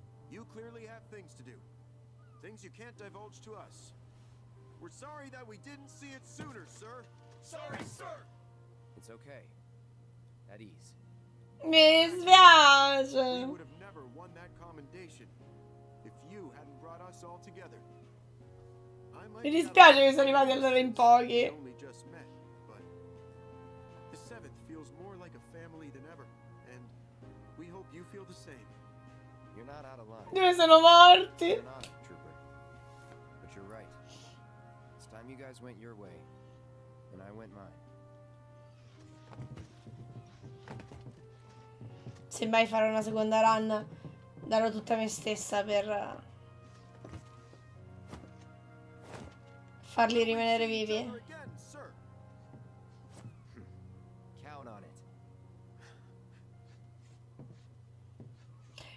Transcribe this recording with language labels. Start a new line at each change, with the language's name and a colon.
English: You clearly have things to do. Things you can't divulge to us. We're sorry that we didn't see it sooner, sir. Sorry, sir! It's okay. At ease.
Italian: Mi dispiace!
English: We would have never won that commendation if you hadn't brought us all together. I might.
Italian: Mi dispiace che sono arrivati allora in pochi.
English: Only just met, but the seventh feels more like a family than ever, and we hope you feel the same. You're not out of line.
Italian: Dove sono morti?
English: You're right. It's time you guys went your way, and I went mine.
Italian: Se mai farò una seconda run, darò tutta me stessa per farli rimanere vivi.
English: Count on it.